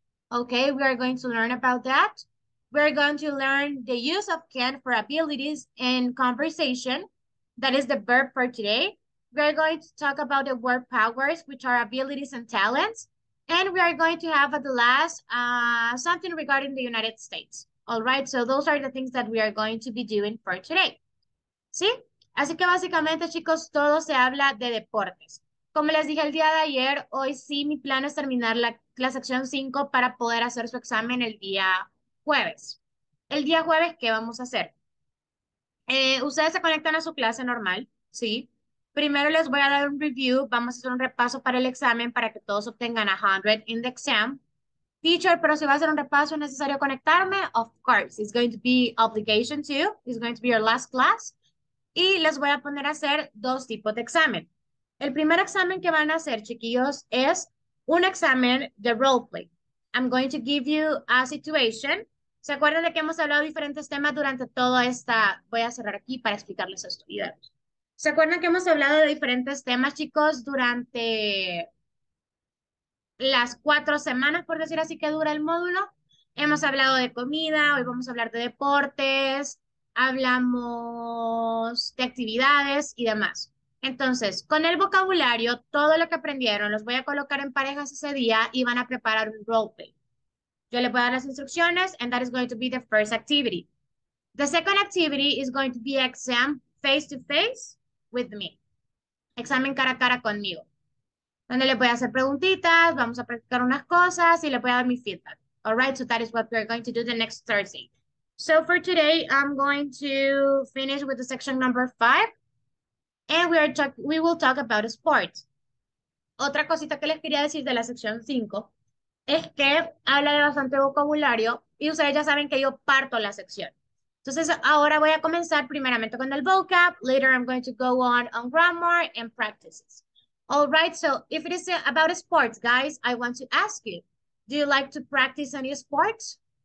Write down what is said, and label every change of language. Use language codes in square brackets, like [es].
[en] Okay, we are going to learn about that. We're going to learn the use of can for abilities in conversation. That is the verb for today. We are going to talk about the word powers, which are abilities and talents. And we are going to have at the last something regarding the United States. All right, so those are the things that we are going to be doing for today. [es] ¿Sí? Así que básicamente, chicos, todo se habla de deportes. Como les dije el día de ayer, hoy sí mi plan es terminar la sección 5 para poder hacer su examen el día jueves. El día jueves, ¿qué vamos a hacer? Ustedes se conectan a su clase normal, ¿sí? Primero les voy a dar un review, vamos a hacer un repaso para el examen para que todos obtengan 100 [en] in the exam. [es] Teacher, pero si va a hacer un repaso, ¿es necesario conectarme? [en] Of course, it's going to be obligation to, it's going to be your last class. [es] Y les voy a poner a hacer dos tipos de examen. El primer examen que van a hacer, chiquillos, es un examen de roleplay. [en] I'm going to give you a situation. [es] ¿Se acuerdan de que hemos hablado de diferentes temas durante toda esta? Voy a cerrar aquí para explicarles esto. ¿Se acuerdan que hemos hablado de diferentes temas, chicos, durante las 4 semanas, por decir así, que dura el módulo? Hemos hablado de comida, hoy vamos a hablar de deportes, hablamos de actividades y demás. Entonces, con el vocabulario, todo lo que aprendieron, los voy a colocar en parejas ese día y van a preparar un roleplay. Yo les voy a dar las instrucciones, [en] and that is going to be the first activity. The second activity is going to be exam face to face with me. [es] Examen cara a cara conmigo. Donde les voy a hacer preguntitas, vamos a practicar unas cosas y les voy a dar mi feedback. [en] All right, so that is what we are going to do the next Thursday. So for today, I'm going to finish with the section number 5. And we will talk about sports. [es] Otra cosita que les quería decir de la sección 5 es que habla de bastante vocabulario y ustedes ya saben que yo parto la sección. Entonces ahora voy a comenzar primeramente con el vocab. [en] Later I'm going to go on grammar and practices. All right, so if it is about sports, guys, I want to ask you, do you like to practice any sports?